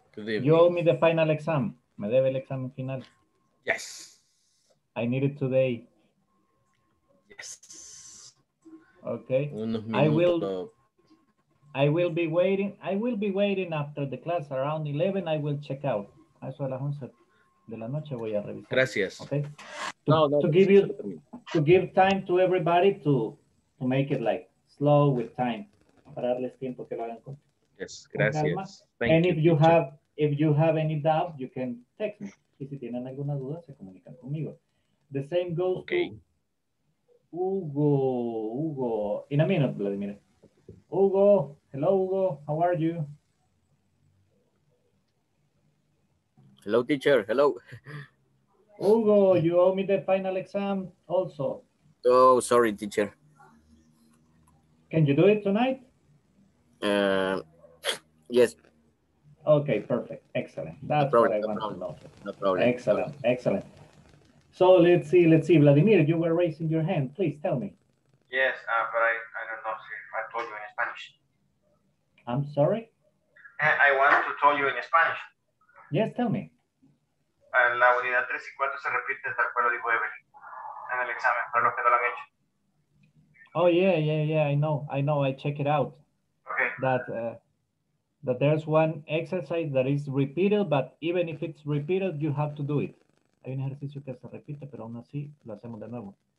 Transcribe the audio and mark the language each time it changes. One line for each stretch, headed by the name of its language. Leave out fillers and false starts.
English: You owe me the final exam.
Spanish: Me debe el examen final.
English: Yes. I need it today. Yes. Okay. I will be waiting after the class around 11. I will check out.
Spanish: Eso a las 11 de la noche voy a revisar. Gracias.
English: Okay. To give time to everybody to make it like slow with time.
Spanish: Para darles tiempo que lo hagan con.
English: Yes, gracias. Thank and you, if you teacher. Have if you have any doubt, you can text me.
Spanish: Y si tienen alguna duda, se comunican conmigo.
English: The same goes okay. to Hugo. In a minute, Vladimir. Hugo, hello Hugo, how are you? Hello, teacher. Hello. Hugo, you owe me the final exam also. Oh, sorry, teacher. Can you do it tonight? Yes. Okay, perfect. Excellent. That's no problem, what I want problem. To know. No problem. Excellent. Excellent. So let's see, Vladimir, you were raising your hand. Please tell me. Yes, but I don't know if I told you in Spanish. I'm sorry? I want to tell you in Spanish. Yes, tell me.
Spanish: La unidad 3 y 4 se repite tal cual lo dijo Evelyn en el examen, para los que no lo han hecho.
English: Oh yeah, I know, I check it out. Okay. That there's one exercise that is repeated, but even if it's repeated, you have to do it.
Spanish: Hay un ejercicio que se repite, pero aún así lo hacemos de nuevo.